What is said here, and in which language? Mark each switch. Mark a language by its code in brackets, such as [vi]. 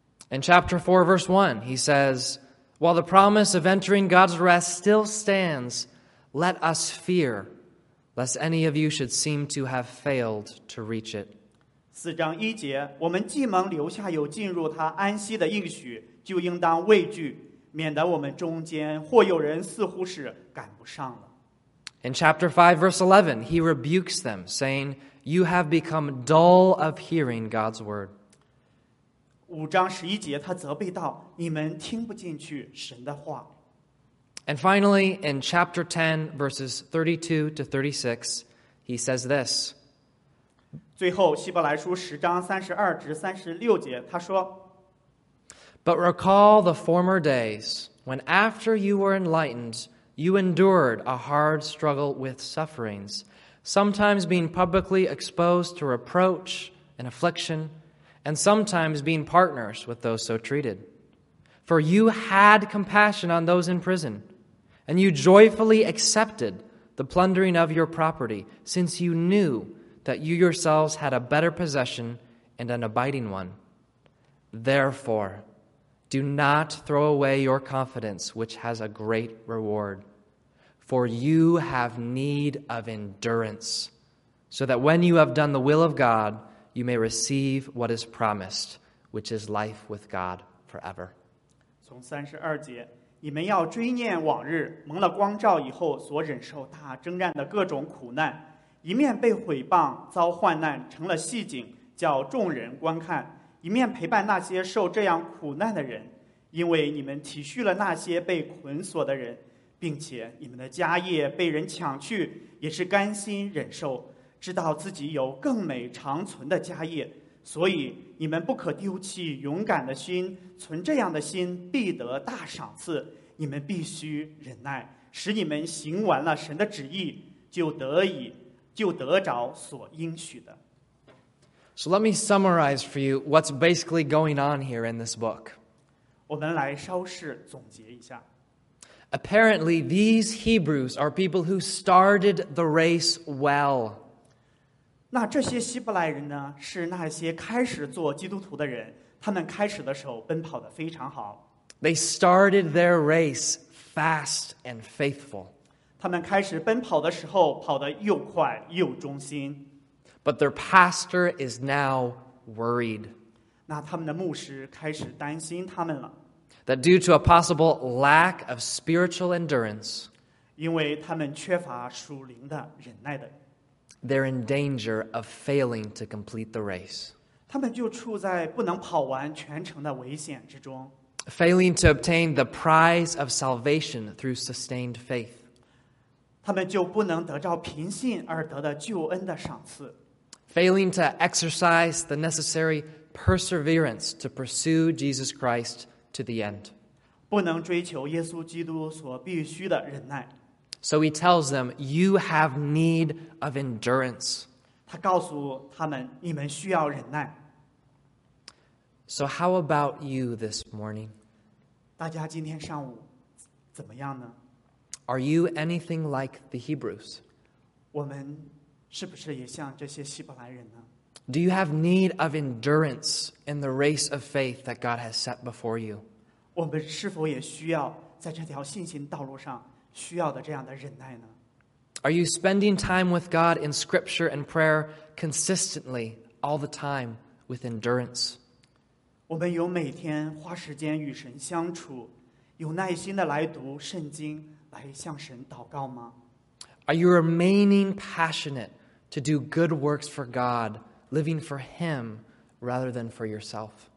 [en] In chapter 4, verse 1, he says, "While the promise of entering God's rest still stands, let us fear, lest any of you should seem to have failed to reach it." [zh] 四章一节，我们既蒙留下有进入他安息的应许，就应当畏惧，免得我们中间或有人似乎是赶不上了。 [en] In chapter 5, verse 11, he rebukes them, saying, "You have become dull of hearing God's word." [zh] 五章十一节，他责备道：“你们听不进去神的话。” [en] And finally, in chapter 10, verses 32 to 36, he says this. [zh] 最后，希伯来书十章三十二至三十六节，他说 [en] ：“But recall the former days when, after you were enlightened, you endured a hard struggle with sufferings, sometimes being publicly exposed to reproach and affliction.” And sometimes being partners with those so treated. For you had compassion on those in prison, and you joyfully accepted the plundering of your property, since you knew that you yourselves had a better possession and an abiding one. Therefore, do not throw away your confidence, which has a great reward. For you have need of endurance, so that when you have done the will of God, you may receive what is promised, which is life with God forever. [zh] 从三十二节，你们要追念往日蒙了光照以后所忍受大征战的各种苦难，一面被毁谤遭患难成了戏景叫众人观看，一面陪伴那些受这样苦难的人，因为你们体恤了那些被捆锁的人，并且你们的家业被人抢去，也是甘心忍受。知道自己有更美长存的家业，所以你们不可丢弃勇敢的心，存这样的心必得大赏赐。你们必须忍耐，使你们行完了神的旨意，就得着所应许的。 [en] So let me summarize for you what's basically going on here in this book. [zh] 我们来稍事总结一下。 [en] Apparently, these Hebrews are people who started the race well. [zh] 那这些希伯来人呢，是那些开始做基督徒的人，他们开始的时候奔跑得非常好。 [en] They started their race fast and faithful. [zh] 他们开始奔跑的时候跑得又快又忠心。 [en] But their pastor is now worried. [zh] 那他们的牧师开始担心他们了。 [en] That due to a possible lack of spiritual endurance, [zh] 因为他们缺乏属灵的忍耐的。 [en] They're in danger of failing to complete the race. [zh] 他们就处在不能跑完全程的危险之中。 [en] Failing to obtain the prize of salvation through sustained faith. [zh] 他们就不能得着凭信而得的救恩的赏赐。 [en] Failing to exercise the necessary perseverance to pursue Jesus Christ to the end. [zh] 不能追求耶稣基督所必须的忍耐。 [en] So he tells them, "You have need of endurance." [zh] 他告诉他们，你们需要忍耐。 [en] So how about you this morning? [zh] 大家今天上午怎么样呢？ [en] Are you anything like the Hebrews? [zh] 我们是不是也像这些希伯来人呢？ [en] Do you have need of endurance in the race of faith that God has set before you? [zh] 我们是否也需要在这条信心道路上？需要的这样的忍耐呢? [en] Are you spending time with God in scripture and prayer consistently, all the time, with endurance? [zh] 我们有每天花时间与神相处，有耐心的来读圣经，来向神祷告吗? [en] Are you remaining passionate to do good works for God, living for Him rather than for yourself?